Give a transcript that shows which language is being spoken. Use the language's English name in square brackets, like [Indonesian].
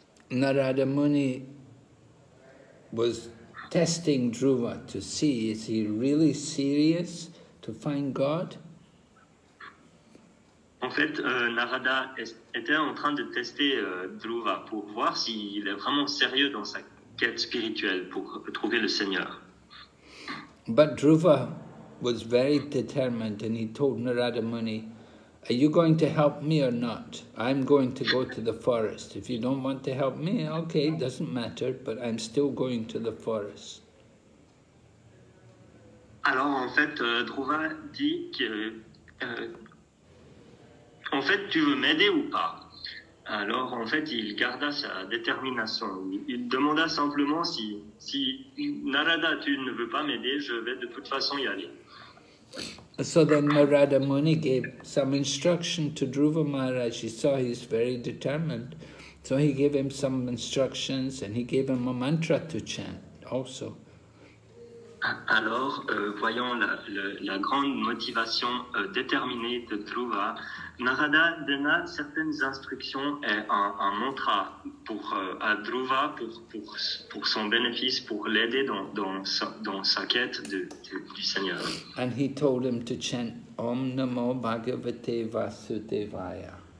[English] Narada Muni was testing Dhruva to see, is he really serious to find God? [French] En fait, Narada était en train de tester Dhruva pour voir s'il est vraiment sérieux dans sa quête spirituelle pour trouver le Seigneur. [English] But Dhruva was very determined and he told Narada Muni, are you going to help me or not? I'm going to go to the forest. If you don't want to help me, okay, it doesn't matter, but I'm still going to the forest. [French] Alors, en fait, Dhruva dit que... en fait, tu veux m'aider ou pas? Alors, en fait, il garda sa détermination. Il demanda simplement si Narada, tu ne veux pas m'aider, je vais de toute façon y aller. [English] So then Narada Muni gave some instruction to Dhruva Maharaj. He saw he's very determined. So he gave him some instructions and he gave him a mantra to chant also. [French] Alors, voyant la grande motivation déterminée de Dhruva, Narada donna certaines instructions et un mantra pour à Dhruva pour son bénéfice, pour l'aider dans sa quête du Seigneur. [English] And he told him to chant Om Namo Bhagavate Vasudevaya.